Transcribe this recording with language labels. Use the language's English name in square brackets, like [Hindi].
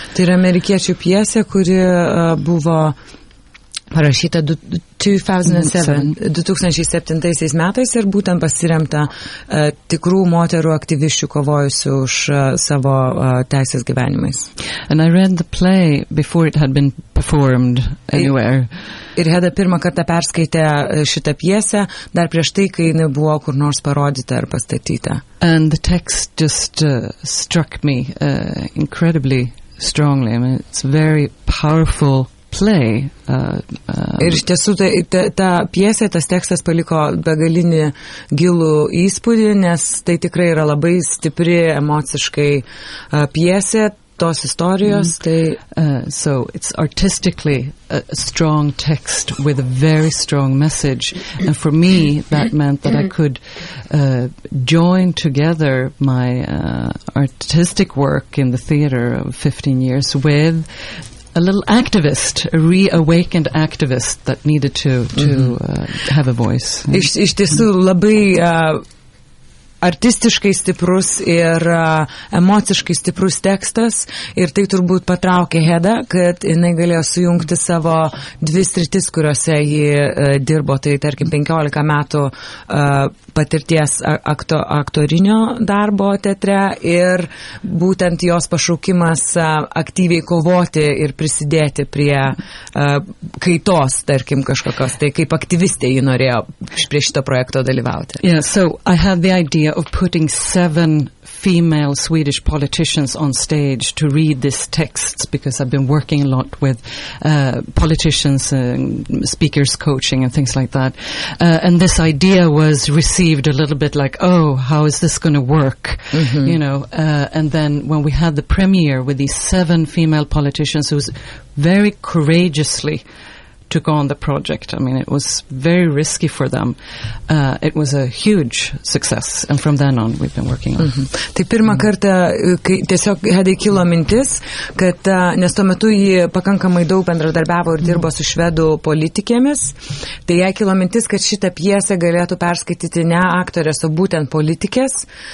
[Lithuanian] Tai yra amerikiečių pjesė, kuri buvo parašyta 2007 metais ir būtent pasiremta tikrų moterų aktyvisčių kovojusių už savo teisės gyvenimais. [English] And I read the play before it had been performed anywhere. [Lithuanian] Ir Heda pirmą kartą perskaitė šitą pjesę, dar prieš tai, kai jinai buvo kur nors parodyta ar pastatyta. [English] And the text just struck me incredibly strongly. I mean, it's very powerful play. [Lithuanian] Ir iš tiesų, ta pjesė, tas tekstas paliko begalinį gilų įspūdį, nes tai tikrai yra labai stipri emociškai pjesė. Tos istorijos, tai [English] so it's artistically a strong text with a very strong message, and for me that meant that I could join together my artistic work in the theater of 15 years with a little activist, a reawakened activist that needed to have a voice. [Lithuanian] Iš tiesų labai artistiškai stiprus ir emociškai stiprus tekstas, ir tai turbūt patraukė Hedą, kad jinai galėjo sujungti savo dvi sritis, kuriuose ji dirbo, tai tarkim 15 metų patirties aktorinio darbo teatre, ir būtent jos pašaukimas aktyviai kovoti ir prisidėti prie kaitos, tarkim, kažkokios, tai kaip aktyvistė ji norėjo prie šito projekto dalyvauti. [English] Yeah, so I had the idea of putting seven female Swedish politicians on stage to read this text, because I've been working a lot with politicians and speakers coaching and things like that. And this idea was received a little bit like, oh, how is this going to work? Mm-hmm. You know, and then when we had the premiere with these seven female politicians, who was very courageously took on the project. I mean, it was very risky for them. It was a huge success, and from then on we've been working on. Mm-hmm. [Lithuanian] Tai pirmą kartą, kai tiesiog Hedai kilo mintis, kad nes tuo metu ji pakankamai daug bendradarbiavo ir dirbo su švedų politikėmis, tai jai kilo mintis, kad šitą pjesę galėtų perskaityti ne aktorės, o būtent politikės.